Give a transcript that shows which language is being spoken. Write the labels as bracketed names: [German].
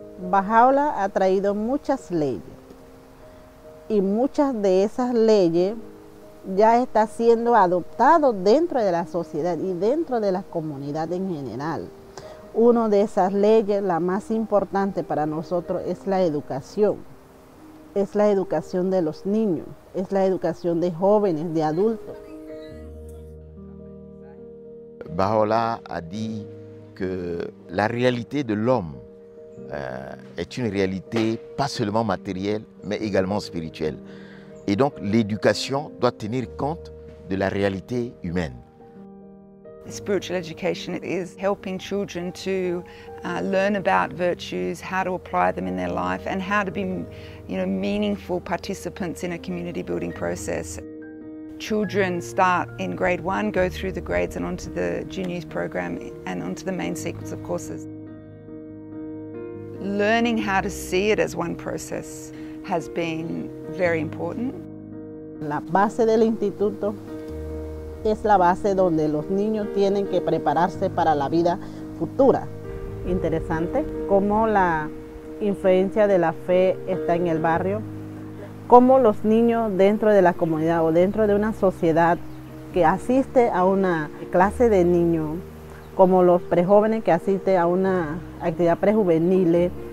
[Spanish] Baha’u’llah ha traído muchas leyes y muchas de esas leyes ya está siendo adoptado dentro de la sociedad y dentro de la comunidad en general. Una de esas leyes, la más importante para nosotros, es la educación. Es la educación de los niños, es la educación de jóvenes, de adultos. [French] Baha’u’llah a dit que la réalité de l'homme est une réalité pas seulement matérielle, mais également spirituelle. Et donc, l'éducation doit tenir compte de la réalité humaine. [English] Spiritual education is helping children to learn about virtues, how to apply them in their life, and how to be, you know, meaningful participants in a community building process. Children start in grade one, go through the grades and onto the junior youth program and onto the main sequence of courses. Learning how to see it as one process has been very important. [Spanish] La base del instituto es la base donde los niños tienen que prepararse para la vida futura. Interesante cómo la influencia de la fe está en el barrio, cómo los niños dentro de la comunidad o dentro de una sociedad que asiste a una clase de niños, como los prejóvenes que asisten a una actividad prejuvenil,